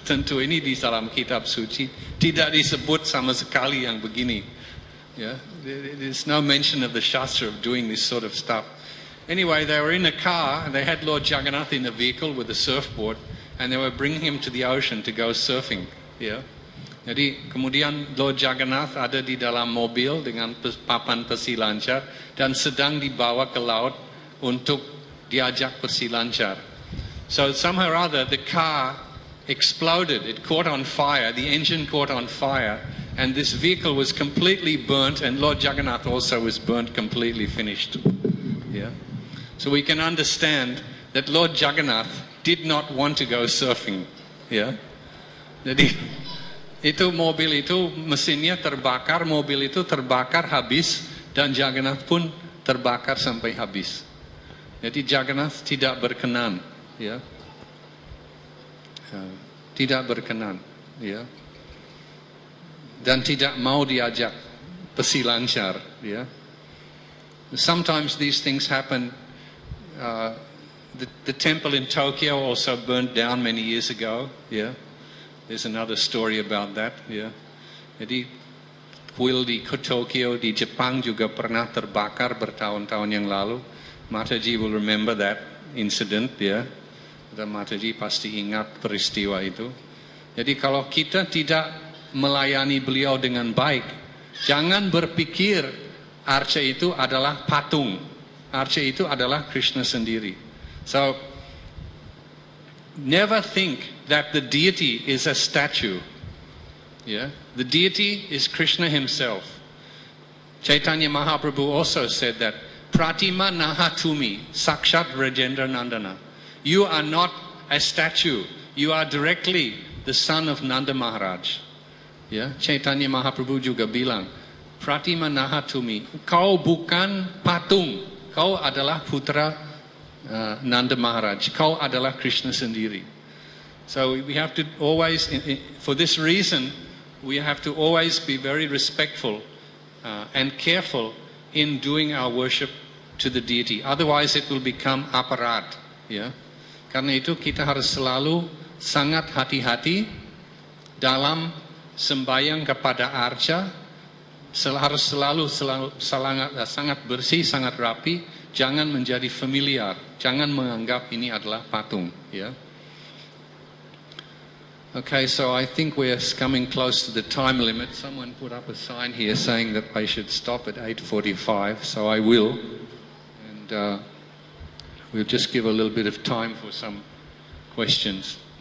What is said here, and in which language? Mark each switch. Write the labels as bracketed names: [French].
[Indonesian] Tentu ini di dalam kitab suci tidak disebut sama sekali yang begini. [English] Yeah, there is no mention of the Shastra of doing this sort of stuff. Anyway, they were in a car and they had Lord Jagannath in a vehicle with a surfboard, and they were bringing him to the ocean to go surfing. Yeah. [Indonesian] Jadi kemudian Lord Jagannath ada di dalam mobil dengan papan perselancar dan sedang dibawa ke laut untuk diajak perselancar. [English] So somehow or other the car exploded. It caught on fire. The engine caught on fire, and this vehicle was completely burnt, and Lord Jagannath also was burnt completely, finished. Yeah. So we can understand that Lord Jagannath did not want to go surfing. Yeah. [Indonesian] Jadi itu mobil itu mesinnya terbakar, mobil itu terbakar habis, dan Jagannath pun terbakar sampai habis. Jadi Jagannath tidak berkenan, ya. Tidak berkenan, ya. Dan tidak mau diajak perselancar, ya. [English] Sometimes these things happen. The temple in Tokyo also burnt down many years ago, ya. There's another story about that, ya. [Indonesian] Jadi kuil di Tokyo di Jepang juga pernah terbakar bertahun-tahun yang lalu. [English] Mataji will remember that incident, ya. [Indonesian] Dan Mataji pasti ingat peristiwa itu. Jadi kalau kita tidak melayani beliau dengan baik, jangan berpikir arca itu adalah patung. Arca itu adalah Krishna sendiri. [English] So, never think that the deity is a statue. Yeah? The deity is Krishna himself. Chaitanya Mahaprabhu also said that, [Bangla] Pratima Nahatumi Sakshat Rajendra Nandana. [English] You are not a statue. You are directly the son of Nanda Maharaj. Yeah? [Indonesian] Chaitanya Mahaprabhu juga bilang, Pratima Nahatumi, kau bukan patung. Kau adalah putra Nanda Maharaj. Kau adalah Krishna sendiri. [English] So we have to always, for this reason, we have to always be very respectful and careful in doing our worship to the deity. Otherwise it will become aparad. Yeah? [Indonesian] Karena itu kita harus selalu sangat hati-hati dalam sembahyang kepada arca. Harus sangat bersih, sangat rapi. Jangan menjadi familiar. Jangan menganggap ini adalah patung. [English] Yeah? Okay, so I think we're coming close to the time limit. Someone put up a sign here saying that I should stop at 8:45, so I will. And we'll just give a little bit of time for some questions.